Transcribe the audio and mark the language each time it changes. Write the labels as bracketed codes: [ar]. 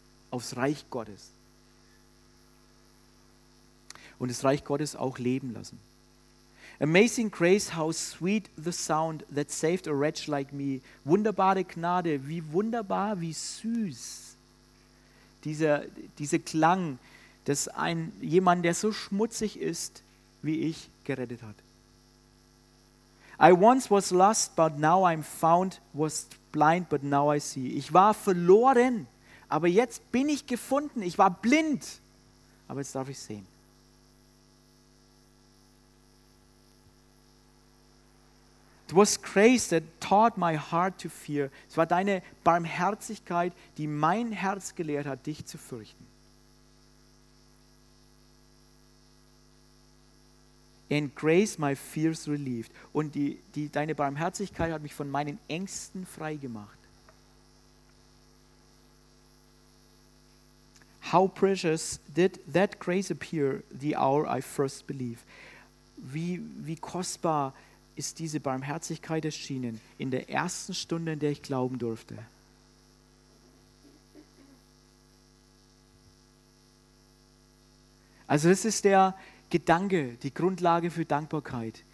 [de] Aufs Reich Gottes. Und das Reich Gottes auch leben lassen. [en] Amazing grace, how sweet the sound that saved a wretch like me. [de] Wunderbare Gnade, wie wunderbar, wie süß dieser Klang, dass jemand, der so schmutzig ist, wie ich, gerettet hat. [en] I once was lost, but now I'm found, was blind, but now I see. [de] Ich war verloren, aber jetzt bin ich gefunden. Ich war blind, aber jetzt darf ich sehen. [en] It was grace that taught my heart to fear. [de] Es war deine Barmherzigkeit, die mein Herz gelehrt hat, dich zu fürchten. [en] And grace my fears relieved. [de] Und deine Barmherzigkeit hat mich von meinen Ängsten freigemacht. [en] How precious did that grace appear the hour I first believed. [de] Wie kostbar ist diese Barmherzigkeit erschienen in der ersten Stunde, in der ich glauben durfte. Also das ist der Gedanke, die Grundlage für Dankbarkeit.